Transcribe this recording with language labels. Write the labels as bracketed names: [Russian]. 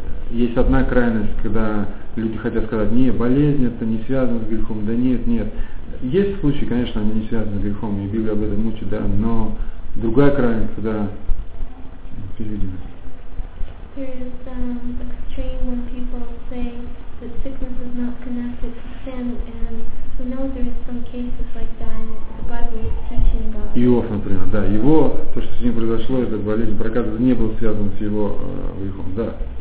[Russian] Есть одна крайность, когда люди хотят сказать, не, болезнь это не связано с грехом, да нет, нет. Есть случаи, конечно, они не связаны с грехом, и Библия об этом учит, да, но другая крайность, когда... Переведем. [English] There is extreme when people say that sickness is not connected to sin, and we know there is some cases like that, and the Bible is teaching about it. [Russian] Иов, например, да, его, то, что с ним произошло, эта болезнь проказа не была связана с его грехом, да.